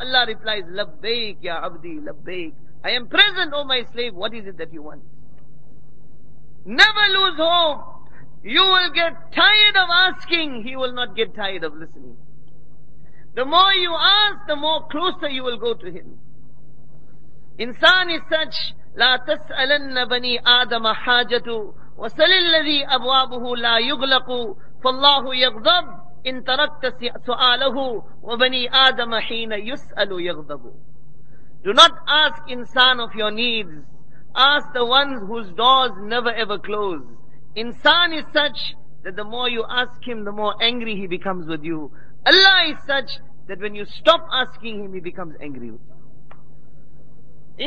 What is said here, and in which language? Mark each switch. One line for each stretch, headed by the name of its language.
English: Allah replies,
Arabic: Labbaik ya abdi, labbaik.
English: I am present, O my slave. What is it that you want? Never lose hope. You will get tired of asking. He will not get tired of listening. The more you ask, the more closer you will go to Him. Insan is such,
Arabic: لا تسألن بني آدم حاجة وسل الذي أبوابه لا يغلق فالله يغضب إن تركت سؤاله وبني آدم حين يسأل يغضب.
English: Do not ask insan of your needs. Ask the ones whose doors never ever close. Insan is such that the more you ask him, the more angry he becomes with you. Allah is such that when you stop asking him, he becomes angry with you.